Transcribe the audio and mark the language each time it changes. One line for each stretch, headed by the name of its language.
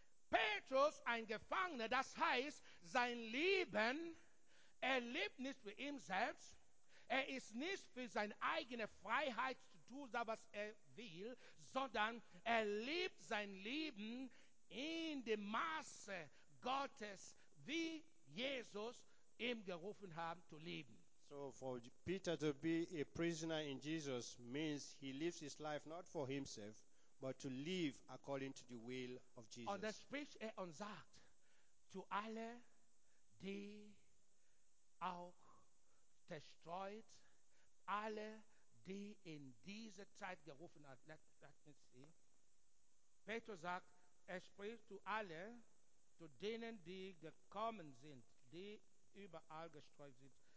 German: Petrus, ein Gefangener, das heißt, sein Leben, lebt nicht für ihn selbst. Ist nicht für seine eigene Freiheit zu tun, was will, sondern lebt sein Leben in dem Maße Gottes, wie Jesus ihm gerufen hat, zu leben.
English: So for Peter to be a prisoner in Jesus means he lives his life not for himself, but to live according to the will of Jesus.
German: Und er spricht und sagt zu alle, die auch zerstreut, alle, die in diese Zeit gerufen hat.
English: Let me see.
German: Petrus sagt, spricht zu alle, zu denen, die gekommen sind, die überall gestreut sind.